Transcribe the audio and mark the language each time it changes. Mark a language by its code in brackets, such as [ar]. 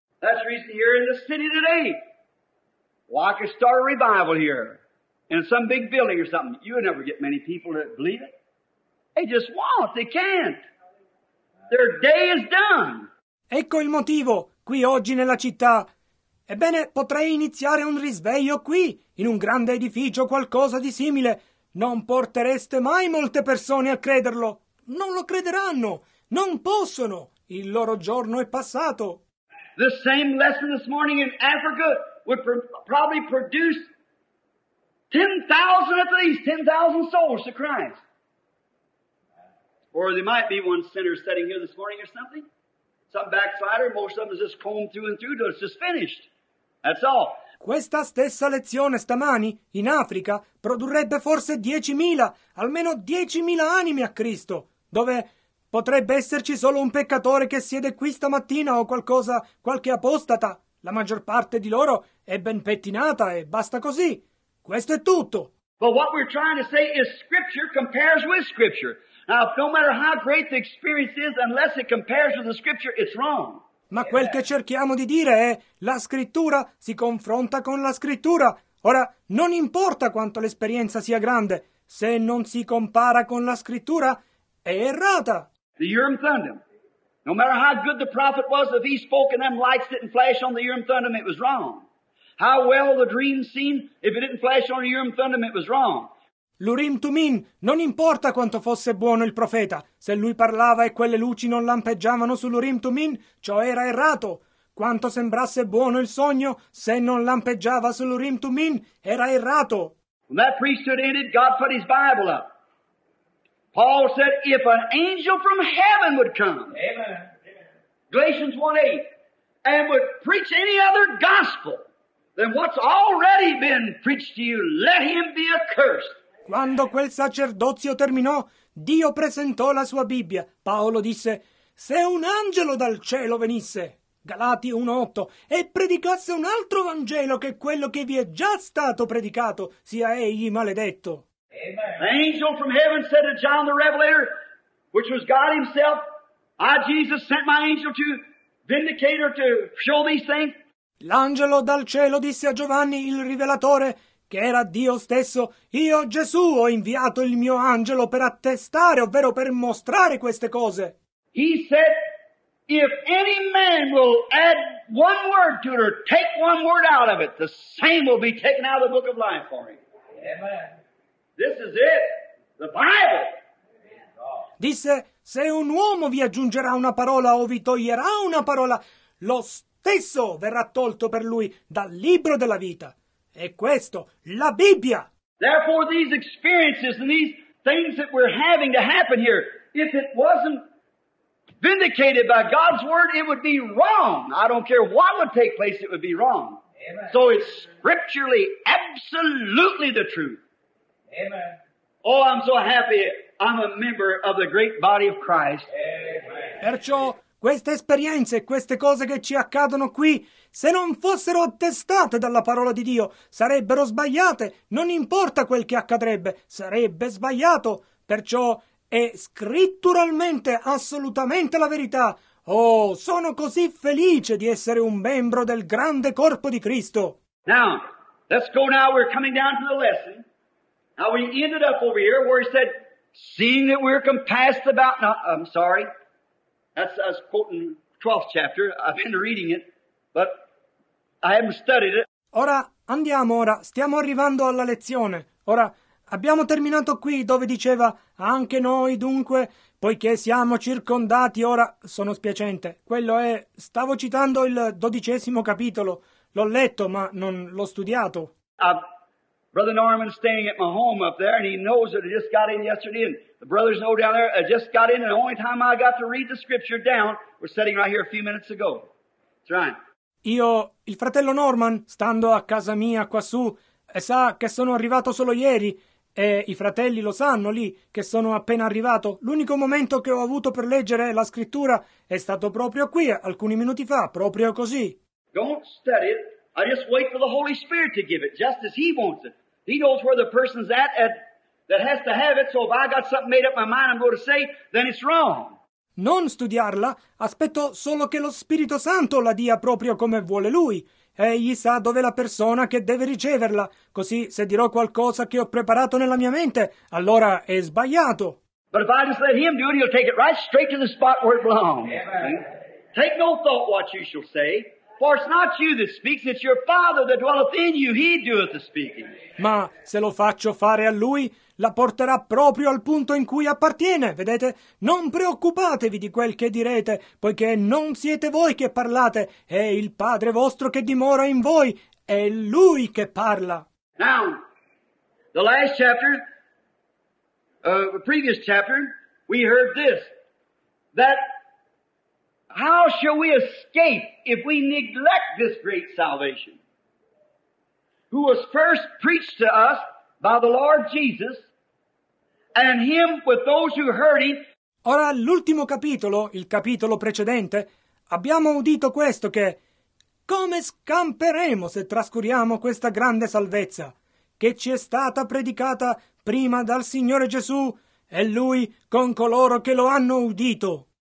[en] That's the reason you're in the city today. Well, I could start a revival here in some big building or something. You would never get many people to believe it. They just won't. They can't. Their day is done. [it] Ecco il motivo. Qui oggi nella città. Ebbene, potrei iniziare un risveglio qui, in un grande edificio o qualcosa di simile. Non portereste mai molte persone a crederlo. Non lo crederanno. Non possono. Il loro giorno è passato. [en] The same lesson this morning in Africa would probably produce 10,000 at least, 10,000 souls to Christ. Or there might be one sinner sitting here this morning or something. Some backslider, most of them is just combed through and through till it's just finished. That's all. [it] Questa stessa lezione stamani, in Africa, produrrebbe forse 10,000, almeno 10,000 anime a Cristo, dove potrebbe esserci solo un peccatore che siede qui stamattina o qualcosa, qualche apostata. La maggior parte di loro è ben pettinata e basta così. Questo è tutto. [en] But what we're trying to say is Scripture compares with Scripture. Now, no matter how great the experience is, unless it compares with the Scripture, it's wrong. [it] Ma quel che cerchiamo di dire è la Scrittura si confronta con la Scrittura. Ora, non importa quanto l'esperienza sia grande, se non si compara con la Scrittura, è errata. [en] The Urim Thummim. No matter how good the prophet was, if he spoke and them lights didn't flash on the Urim Thummim, it was wrong. How well the dream seen, if it didn't flash on the Urim Thummim, it was wrong. [it] L'Urim Tumim, non importa quanto fosse buono il profeta, se lui parlava e quelle luci non lampeggiavano sull'Urim Tumim, ciò era errato. Quanto sembrasse buono il sogno, se non lampeggiava sull'Urim Tumim, era errato. [en] When that priesthood ended, God put his Bible up. Paul said, if an angel from heaven would come, Amen. Galatians 1:8, and would preach any other gospel than what's already been preached to you, let him be accursed. [it] Quando quel sacerdozio terminò, Dio presentò la sua Bibbia. Paolo disse, se un angelo dal cielo venisse, Galati 1:8, e predicasse un altro Vangelo che quello che vi è già stato predicato, sia egli maledetto. Amen. [en] The angel from heaven said to John the Revelator, which was God himself, I, Jesus, sent my angel to vindicate or to show these things. [it] L'angelo dal cielo disse a Giovanni il Rivelatore, che era Dio stesso, io, Gesù, ho inviato il mio angelo per attestare, ovvero per mostrare queste cose. [en] He said, if any man will add one word to it or take one word out of it, the same will be taken out of the book of life for him. Amen. This is it, the Bible. [it] Disse, se un uomo vi aggiungerà una parola o vi toglierà una parola, lo stesso verrà tolto per lui dal libro della vita. E questo, la Bibbia. [en] Therefore these experiences and these things that we're having to happen here, if it wasn't vindicated by God's word, it would be wrong. I don't care what would take place, it would be wrong. Amen. So it's scripturally absolutely the truth. Amen. Oh, I'm so happy I'm a member of the great body of Christ. Amen. [it] Perciò queste esperienze, queste cose che ci accadono qui, se non fossero attestate dalla parola di Dio, sarebbero sbagliate. Non importa quel che accadrebbe, sarebbe sbagliato. Perciò è scritturalmente assolutamente la verità. Oh, sono così felice di essere un membro del grande corpo di Cristo. [en] Now, let's go now, we're coming down to the lesson. Now we ended up over here where he said, seeing that we're compassed about, no, I'm sorry, that's us quoting 12th chapter, I've been reading it, but I haven't studied it. [it] Ora, andiamo ora, stiamo arrivando alla lezione. Ora, abbiamo terminato qui dove diceva, anche noi dunque, poiché siamo circondati, ora, sono spiacente. Quello è, stavo citando il 12° capitolo, l'ho letto ma non l'ho studiato. [en] Brother Norman's staying at my home up there, and he knows that I just got in yesterday, and the brothers know down there, I just got in, and the only time I got to read the scripture down was sitting right here a few minutes ago. That's right. [it] Io, il fratello Norman, stando a casa mia quassù, e sa che sono arrivato solo ieri, e i fratelli lo sanno lì che sono appena arrivato. L'unico momento che ho avuto per leggere la scrittura è stato proprio qui, alcuni minuti fa, proprio così. [en] Don't study it. I just wait for the Holy Spirit to give it, just as He wants it. He knows where the person's at that has to have it, so if I got something made up my mind I'm going to say, then it's wrong. [it] Non studiarla, aspetto solo che lo Spirito Santo la dia proprio come vuole Lui. Egli sa dove la persona che deve riceverla, così se dirò qualcosa che ho preparato nella mia mente, allora è sbagliato. [en] But if I just let him do it, he'll take it right straight to the spot where it belongs. Amen. Take no thought what you shall say. For it's not you that speaks, it's your Father that dwelleth in you, He doeth the speaking. [it] Ma se lo faccio fare a Lui, la porterà proprio al punto in cui appartiene, vedete? Non preoccupatevi di quel che direte, poiché non siete voi che parlate, è il Padre vostro che dimora in voi, è Lui che parla. [en] Now, the last chapter, the previous chapter, we heard this, that how shall we escape if we neglect this great salvation, who was first preached to us by the Lord Jesus, and Him with those who heard Him? [it] Ora, l'ultimo capitolo, il capitolo precedente, abbiamo udito questo, che come scamperemo se trascuriamo questa grande salvezza che ci è stata predicata prima dal Signore Gesù e Lui con coloro che lo hanno udito?